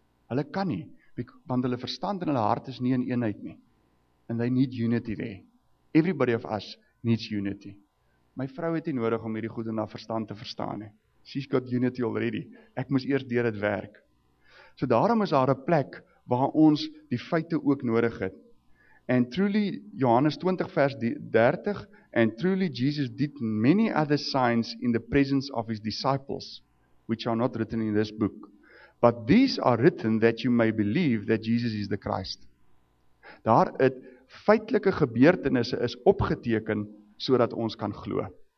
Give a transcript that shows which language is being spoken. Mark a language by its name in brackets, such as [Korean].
[Afrikaans] Hulle kan nie, want hulle verstand en hulle hart is nie in eenheid nie. [English] And they need unity there. Everybody of us needs unity. [Afrikaans] My vrou het nie nodig om hierdie goed in haar verstand te verstaan nie. [English] She's got unity already. [Afrikaans] Ek moes eers deur dit werk. So daarom is daar 'n plek waar ons die feite ook nodig het. [English] And truly, [Afrikaans] Johannes 20 vers 30, [English] and truly Jesus did many other signs in the presence of his disciples, which are not written in this book. But these are written that you may believe that Jesus is the Christ. [Afrikaans] Daar het feitelike gebeurtenisse is opgeteken, sodat ons kan glo.